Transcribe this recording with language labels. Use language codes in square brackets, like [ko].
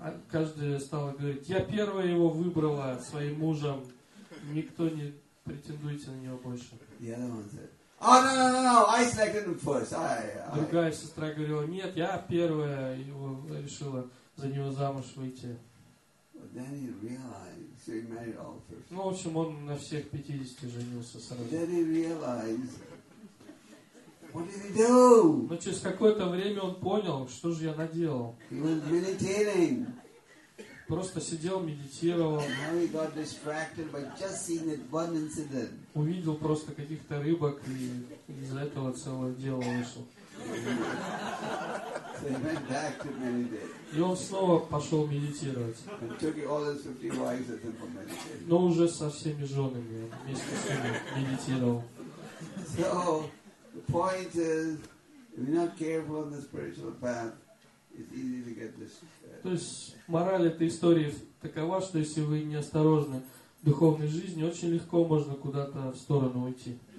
[ru] Каждая стала говорить: я первая его выбрала своим мужем, никто не претендуйте на него больше. [en] Oh, no, I selected him first. [ru] Другая сестра говорила: нет, я первая его решила за него замуж выйти. [en] But then he realized, so he married all first. [ru] Ну, в общем, он на всех 50 женился сразу. [en] Then he realized, what did he do? [ru] Но через какое-то время он понял, что же я наделал. [en] He was meditating. [ru] Просто сидел, медитировал. [en] Now he got distracted by just seeing that one incident. [ru] Увидел просто каких-то рыбок и из-за этого целое дело вышло. [en] So he went back to meditate. [ru] И он снова пошел медитировать. [en] And took all his 50 wives with him for meditation. [ru] Но уже со всеми женами вместе с ними медитировал. [en] So the point is, if you're not careful on the spiritual path, it's easy to get this. [ru] То есть мораль этой истории такова, что если вы неосторожны в духовной жизни, очень легко можно куда-то в сторону уйти.